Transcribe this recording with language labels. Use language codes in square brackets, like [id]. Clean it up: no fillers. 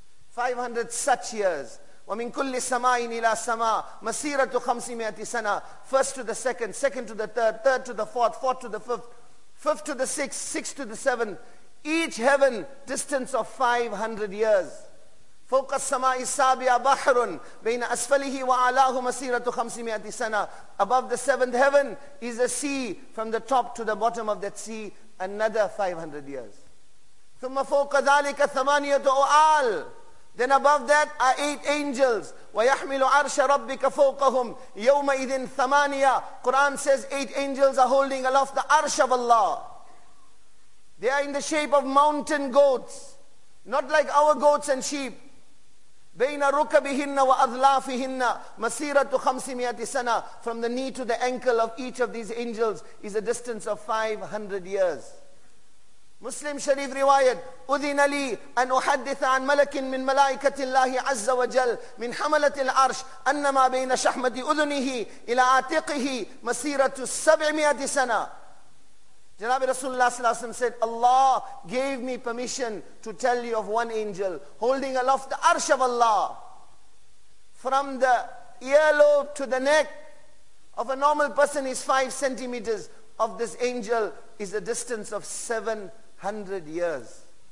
[en] 500 such years. [ar] Wa min kulli sama'in ila sama' masiratu 500 sana. [en] First to the second, second to the third, third to the fourth, fourth to the fifth, fifth to the sixth, sixth to the seventh. Each heaven distance of 500 years. [ar] فوق السماء السابعة بحر بين أسفله وعلاه مسيرة 500 سنة. [en] Above the seventh heaven is a sea, from the top to the bottom of that sea another 500 years. [ar] ثم فوق ذلك ثمانية أعال. [en] Then above that are 8 angels. [ar] ويحمل عرش ربك فوقهم يومئذ ثمانية. [en] Quran says 8 angels are holding aloft the arsh of Allah. They are in the shape of mountain goats, not like our goats and sheep. [ar] بين ركبهن وأظلافهن مسيرة 500 سنة. [en] From the knee to the ankle of each of these angels is a distance of 500 years. [ar] Muslim Sharif riwayat, أذن لي أن أحدث عن ملك من ملائكة الله عز وجل من حملة العرش أنما بين شحمة أذنه إلى عاتقه مسيرة 700 سنة. [en] Janabi Rasulullah sallallahu alaihi wasallam said, Allah gave me permission to tell you of one angel holding aloft the arsh of Allah. From the earlobe to the neck of a normal person is 5 centimeters. Of this angel is a distance of 700 years.